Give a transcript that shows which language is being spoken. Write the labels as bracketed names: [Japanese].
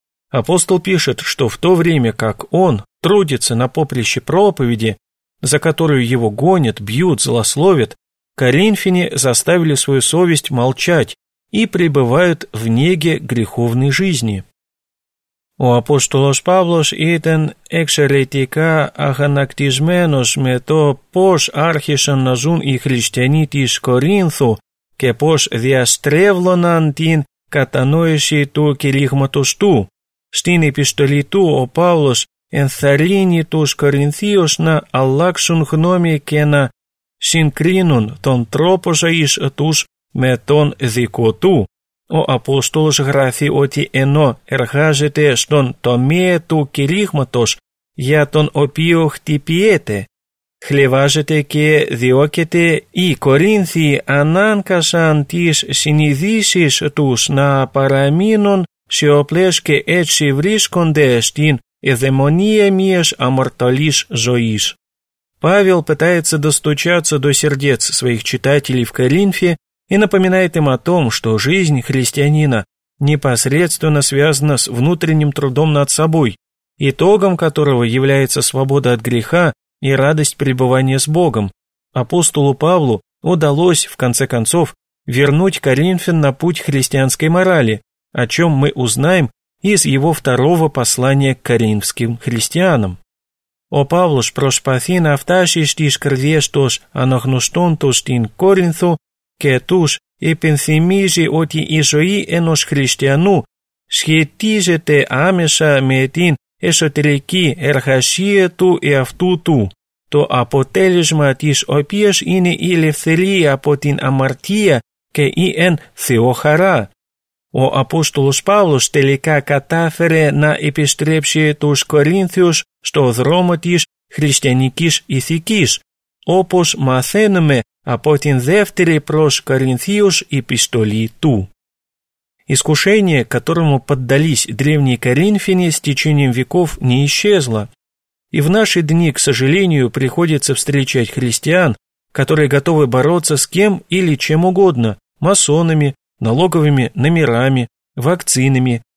[Russian] Апостол пишет, что в то время как он трудится на поприще проповеди, за которую его гонят, бьют, злословят, коринфяне заставили свою совесть молчать и пребывают в неге греховной жизни. [Greek] Ο Απόστολος Παύλος ήταν εξαιρετικά αγανακτισμένος με το πώς άρχισαν να ζουν οι χριστιανοί της Κορίνθου και πώς διαστρέβλωναν την κατανόηση του κηρύγματος του. Στην επιστολή του ο Παύλος ενθαρρύνει τους Κορινθίους να αλλάξουν γνώμη και να συγκρίνουν τον τρόπο ζωής τους με τον δικό του. Ο Απόστολος γράφει ότι ενώ εργάζεται στον τομέα του κηρύγματος για τον οποίο χτυπιέται, χλεβάζεται και διώκεται, οι Κορίνθιοι ανάγκασαν τις συνειδήσεις τους να παραμείνουν σιωπηλές και έτσι βρίσκονται στην εδαιμονία μιας αμαρτωλής ζωής. [Russian] Παύλος пытается достучаться до сердец своих читателей в Коринфе и напоминает им о том, что жизнь христианина непосредственно связана с внутренним трудом над собой, итогом которого является свобода от греха и радость пребывания с Богом. Апостолу Павлу удалось, в конце концов, вернуть коринфян на путь христианской морали, о чем мы узнаем из его второго послания к коринфским христианам. [Greek] «О Павлуш проспаси на втащиш тиш крвештос анагнустон тус тин Коринфу, και τους υπενθυμίζει ότι η ζωή ενός χριστιανού σχετίζεται άμεσα με την εσωτερική εργασία του εαυτού του, το αποτέλεσμα της οποίας είναι η ελευθερία από την αμαρτία και η εν Θεό χαρά. Ο Απόστολος Παύλος τελικά κατάφερε να επιστρέψει τους Κορίνθιους στο δρόμο της χριστιανικής ηθικής, όπως μαθαίνουμε από την δεύτερη προς Κορινθίους επιστολή του. [Russian] Искушение, которому поддались древние коринфяне с течением веков, не исчезло. И в наши дни, к сожалению, приходится встречать христиан, которые готовы бороться с кем или чем угодно – масонами, налоговыми номерами, вакцинами.